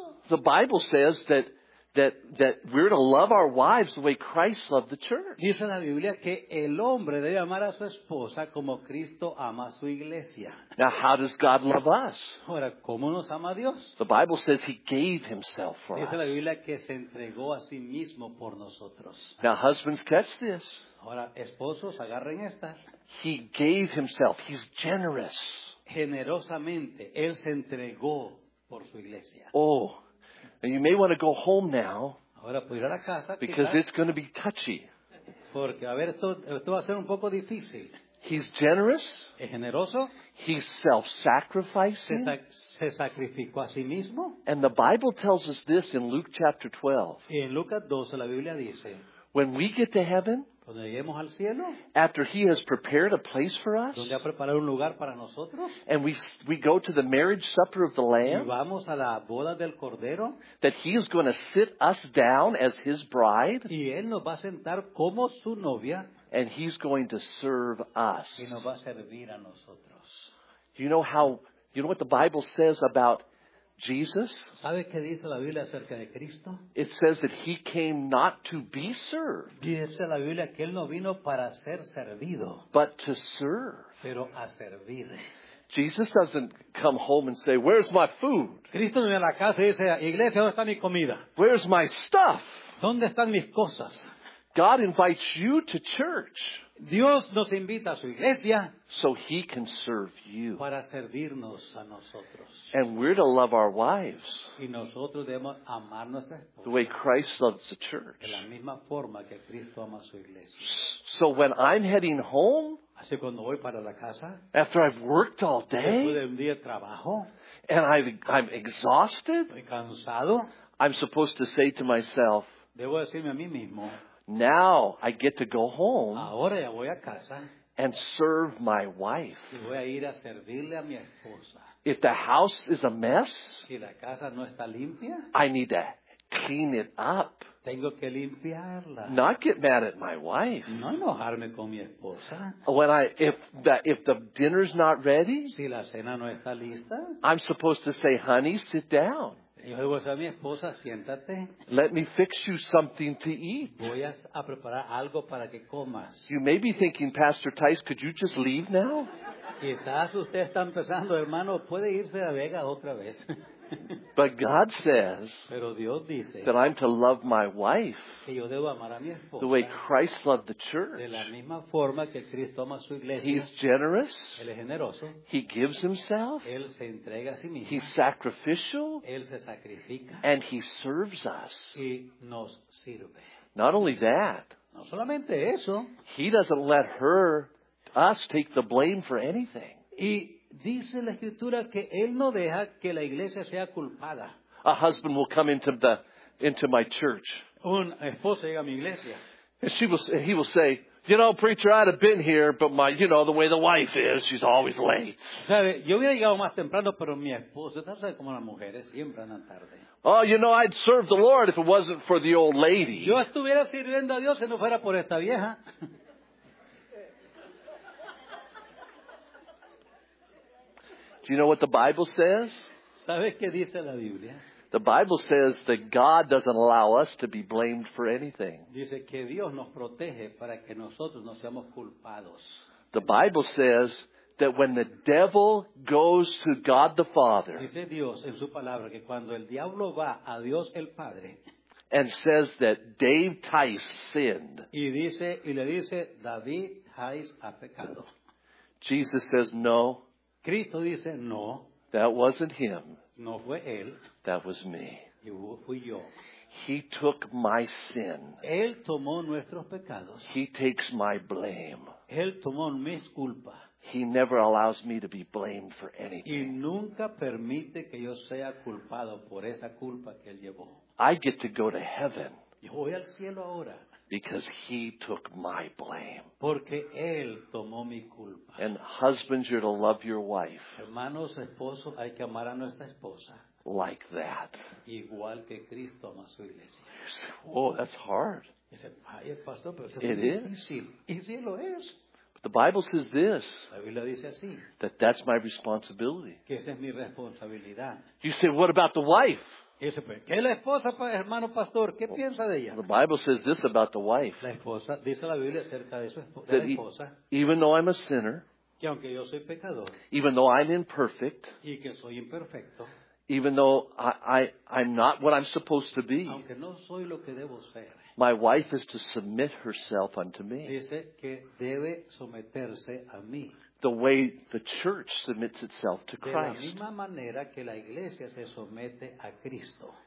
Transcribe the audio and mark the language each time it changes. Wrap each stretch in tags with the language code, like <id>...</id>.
<en>The Bible says that that we're to love our wives the way Christ loved the church.</en> <es>Dice la Biblia que el hombre debe amar a su esposa como Cristo ama a su iglesia.</es> <en>Now, how does God love us?</en> <es>Ahora, ¿cómo nos ama Dios?</es> <en>The Bible says he gave himself for us.</en> <es>Dice la Biblia que se entregó a sí mismo por nosotros.</es> <en>Now, husbands, catch this.</en> <es>Ahora, esposos, agarren esta.</es> <en>He gave himself. He's generous.</en> <es>Generosamente, él se entregó por su iglesia.</es> <en>Oh, and you may want to go home now</en> <es>ahora, puede ir a la casa,</es> <en>because</en> <es>quizás,</es> <en>it's going to be touchy.</en> <es>Porque a ver, esto va a ser un poco difícil.</es> <en>He's generous.</en> <es>Es generoso.</es> <en>He's self-sacrificing.</en> <es>Se sacrificó a sí mismo.</es> <en>And the Bible tells us this in Luke chapter 12.</en> <es>Y en Lucas 12 la Biblia dice,</es> <en>when we get to heaven,</en> <es>cuando lleguemos al cielo,</es> <en>after he has prepared a place for us,</en> <es>donde ha preparado un lugar para nosotros,</es> <en>and we go to the marriage supper of the Lamb,</en> <es>y vamos a la boda del Cordero,</es> <en>that he is going to sit us down as his bride,</en> <es>y él nos va a sentar como su novia,</es> <en>and he's going to serve us.</en> <es>Y nos va a servir a nosotros.</es> <en>You know what the Bible says about Jesus?</en> <es>¿Sabe qué dice la Biblia acerca de Cristo?</es> <en>It says that he came not to be served.</en> <es>Dice la Biblia que él no vino para ser servido,</es> <en>but to serve.</en> <es>Pero a servir.</es> <en>Jesus doesn't come home and say, "Where's my food?"</en> <es>Cristo no viene a la casa y dice, "Iglesia, ¿dónde está mi comida?"</es> <en>"Where's my stuff?"</en> <es>¿Dónde están mis cosas?</es> <en>God invites you to church.</en> <es>Dios nos invita a su iglesia.</es> <en>So he can serve you.</en> <es>Para servirnos a nosotros.</es> <en>And we're to love our wives.</en> <es>Y nosotros debemos amar nuestra esposa.</es> <en>The way Christ loves the church.</en> <es>De la misma forma que Cristo ama a su iglesia.</es> <en>So when I'm heading home,</en> <es>así cuando voy para la casa,</es> <en>after I've worked all day,</en> <es>después de un día de trabajo,</es> <en>and I'm exhausted,</en> <es>estoy cansado,</es> <en>I'm supposed to say to myself,</en> <es>debo decirme a mí mismo,</es> <en>now I get to go home.</en> <es>Ahora ya voy a casa</es> <en>and serve my wife.</en> <es>Y voy a ir a servirle a mi esposa.</es> <en>If the house is a mess,</en> <es>si la casa no está limpia,</es> <en>I need to clean it up.</en> <es>Tengo que limpiarla.</es> <en>Not get mad at my wife.</en> <es>No enojarme con mi esposa.</es> <en>When if the dinner's not ready,</en> <es>si la cena no está lista,</es> <en>I'm supposed to say, "Honey, sit down.</en> <es>Yo le voy a decir a mi esposa, siéntate.</es> <en>Let me fix you something to eat."</en> <es>Voy a preparar algo para que comas.</es> <en>You may be thinking, "Pastor Tice, could you just leave now?"</en> <es>Quizás usted está empezando, hermano, puede irse a Vega otra vez.</es> <en>But God says,</en> <es>pero Dios dice,</es> <en>that I'm to love my wife,</en> <es>que yo debo amar a mi esposa,</es> <en>the way Christ loved the church.</en> <es>De la misma forma que Cristo ama su iglesia.</es> <en>He's generous.</en> <es>Él es generoso.</es> <en>He gives himself.</en> <es>Él se entrega a sí mismo.</es> <en>He's sacrificial.</en> <es>Él se sacrifica.</es> <en>And he serves us.</en> <es>Y nos sirve.</es> <en>Not only that,</en> <es>no solamente eso,</es> <en>he doesn't let us take the blame for anything.</en> <es>Y dice la escritura que él no deja que la iglesia sea culpada.</es> <en>A husband will come into my church.</en> <es>Un esposo llega a mi iglesia.</es> <en>And he will say, "You know, preacher, I'd have been here, but my, you know, the way the wife is, she's always late."</en> <es>¿Sabe? Yo hubiera llegado más temprano, pero mi esposa, ¿tú sabes cómo las mujeres siempre andan tarde?</es> <en>"Oh, you know, I'd serve the Lord if it wasn't for the old lady."</en> <es>Yo estuviera sirviendo a Dios si no fuera por esta vieja.</es> <en>Do you know what the Bible says?</en> <es>¿Sabes qué dice la Biblia?</es> <en>The Bible says that God doesn't allow us to be blamed for anything.</en> <es>Dice que Dios nos protege para que nosotros no seamos culpados.</es> <en>The Bible says that when the devil goes to God the Father,</en> <es>dice Dios en su palabra que cuando el diablo va a Dios el Padre,</es> <en>and says that Dave Tice sinned,</en> <es>y le dice David Tice ha pecado,</es> <en>Jesus says no.</en> <es>Cristo dice, no,</es> <en>that wasn't him.</en> <es>No fue él.</es> <en>That was me.</en> <es>Y fui yo.</es> <en>He took my sin.</en> <es>Él tomó nuestros pecados.</es> <en>He takes my blame.</en> <es>Él tomó mis culpas.</es> <en>He never allows me to be blamed for anything.</en> <es>Y nunca permite que yo sea culpado por esa culpa que él llevó.</es> <en>I get to go to heaven.</en> <es>Yo voy al cielo ahora.</es> <en>Because he took my blame.</en> <es>Porque él tomó mi culpa.</es> <en>And husbands, you're to love your wife.</en> <es>Hermanos, esposos, hay que amar a nuestra esposa.</es> <en>Like that.</en> <es>Igual que Cristo ama su iglesia.</es> <en>Oh, that's hard. It is.</en> <es>Y sí lo es.</es> <en>But the Bible says this.</en> <es>La Biblia dice así.</es> <en>That's my responsibility.</en> <es>Que esa es mi responsabilidad.</es> <en>You say, "What about the wife?"</en> <es>¿Qué es la esposa, hermano pastor? ¿Qué piensa de ella?</es> <en>The Bible says this about the wife.</en> <es>La esposa, dice la Biblia acerca de su esposa.</es> <en>That even though I'm a sinner,</en> <es>que aunque yo soy pecador,</es> <en>even though I'm imperfect,</en> <es>y que soy imperfecto,</es> <en>even though I'm not what I'm supposed to be,</en> <es>aunque no soy lo que debo ser,</es> <en>my wife is to submit herself unto me.</en> <es>Dice que debe someterse a mí.</es> <en>The way the church submits itself to Christ.</en> <es>De la misma manera que la iglesia se somete a Cristo.</es>